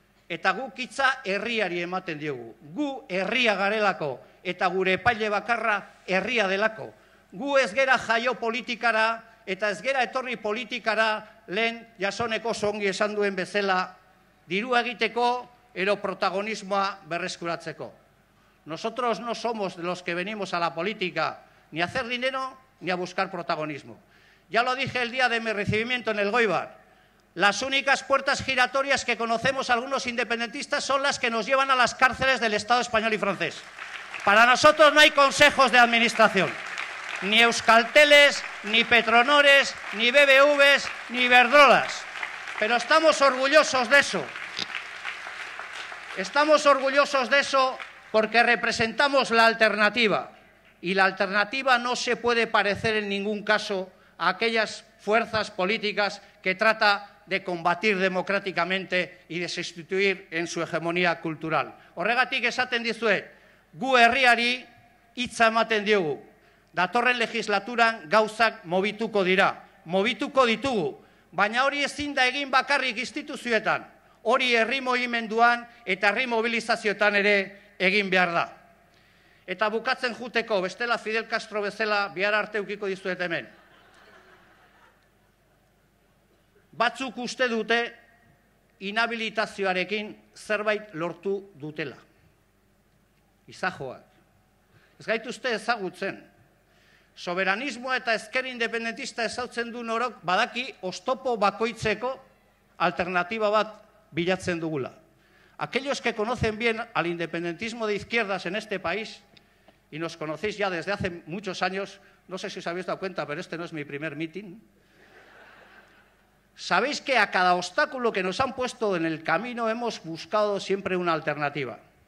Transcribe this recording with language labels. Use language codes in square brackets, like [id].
[eu] Eta guk hitza herriari ematen diogu. Gu herria garelako eta gure epaile bakarra herria delako. Gu ez gera jaio politikara eta ez gera etorri politikara lehen Jasoneko songi esan duen bezala diru egiteko edo protagonismoa berreskuratzeko. [es] Nosotros no somos de los que venimos a la política ni a hacer dinero ni a buscar protagonismo. Ya lo dije el día de mi recibimiento en el Goibar. Las únicas puertas giratorias que conocemos algunos independentistas son las que nos llevan a las cárceles del Estado español y francés. Para nosotros no hay consejos de administración. Ni Euskalteles, ni Petronores, ni BBVs, ni Iberdrolas. Pero estamos orgullosos de eso. Estamos orgullosos de eso porque representamos la alternativa. Y la alternativa no se puede parecer en ningún caso a aquellas fuerzas políticas que trata de combatir democráticamente y de sustituir en su hegemonía cultural. [eu] Horregatik esaten dizue, gu herriari hitza ematen diogu. Datorren legislaturan gauzak mobituko dira, mobituko ditugu, baina hori ezin da egin bakarrik instituzioetan, hori herri mugimenduan eta herri mobilizazioetan ere egin behar da. Eta bukatzen juteko, bestela Fidel Castro bezala bihar arte ukiko dizuet hemen. Batzuk uste dute inhabilitazioarekin zerbait lortu dutela. Izajoak. Ez gaituzte ezagutzen. Soberanismoa eta ezker independentista ezautzen du norok badaki oztopo bakoitzeko alternatiba bat bilatzen dugula. [es] Aquellos que conocen bien al independentismo de izquierdas en este país, y nos conocéis ya desde hace muchos años, no sé si os habéis dado cuenta, pero este no es mi primer mitin, sabéis que a cada obstáculo que nos han puesto en el camino hemos buscado siempre una alternativa.